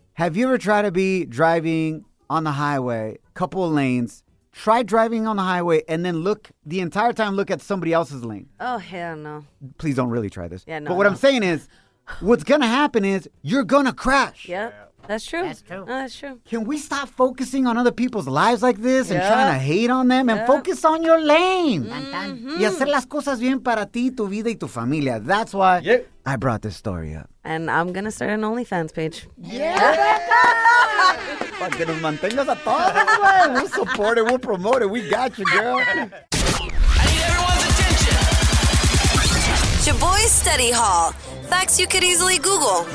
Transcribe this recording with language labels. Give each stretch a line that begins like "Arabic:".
English: Have you ever tried to be driving on the highway, couple of lanes, try driving on the highway and then look the entire time, look at somebody else's lane? Oh, hell no. Please don't really try this. Yeah, no. But what I'm saying is, what's going to happen is you're going to crash. Yep. That's true. That's true. No, that's true. Can we stop focusing on other people's lives like this and trying to hate on them and focus on your lane? Mm-hmm.
Spanish: Y hacer las cosas bien para ti, tu vida y tu familia.
English: That's why I brought this story up. And I'm going to start an OnlyFans page. Yeah!
Spanish: Para que nos mantengas a todos, man.
English: We'll support it. We'll promote it. We got you, girl. I need everyone's attention. Shaboy's Study Hall. Facts you could easily Google.